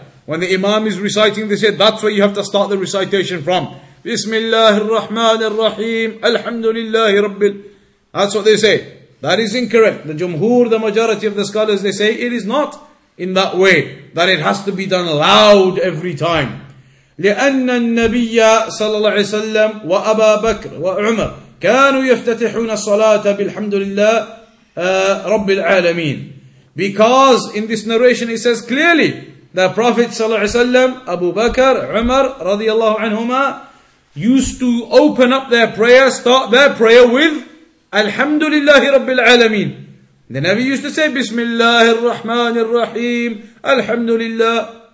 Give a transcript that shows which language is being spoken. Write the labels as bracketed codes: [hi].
[en] When the Imam is reciting this, that's where you have to start the recitation from. Bismillah ar-Rahman ar-Rahim, Alhamdulillahi Rabbil. That's what they say. That is incorrect. The Jumhur, the majority of the scholars, they say it is not in that way, that it has to be done loud every time. [ar] لِأَنَّ النَّبِيَّ صَلَى اللَّهِ عَلَيْهِ وَسَلَّمْ وَأَبَا بَكْرِ وَعُمَرْ كَانُوا يَفْتَتِحُونَ الصَّلَاةَ بِالْحَمْدُ لِلَّهِ Rabbil Alameen. [en] Because in this narration it says clearly that Prophet Sallallahu Alaihi Wasallam, Abu Bakr, Umar radiallahu anhumah, used to open up their prayer, start their prayer with Alhamdulillahi Rabbil Alameen. The Nabi used to say Bismillahir Rahmanir Rahim, Alhamdulillah.